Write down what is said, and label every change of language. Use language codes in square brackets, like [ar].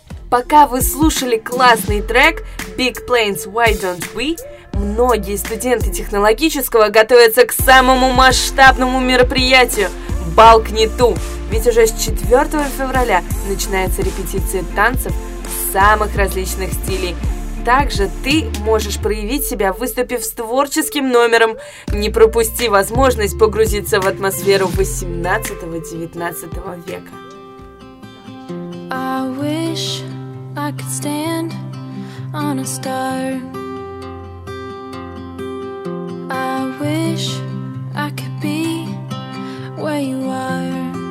[ru] Пока вы слушали классный трек Big Planes, Why Don't We? Многие студенты технологического готовятся к самому масштабному мероприятию. бал к Нету. Ведь уже с 4 февраля начинается репетиция танцев самых различных стилей. Также ты можешь проявить себя, выступив с творческим номером. Не пропусти возможность погрузиться в атмосферу 18-19 века. [en] I wish I could stand on a star. I wish I could be where you are.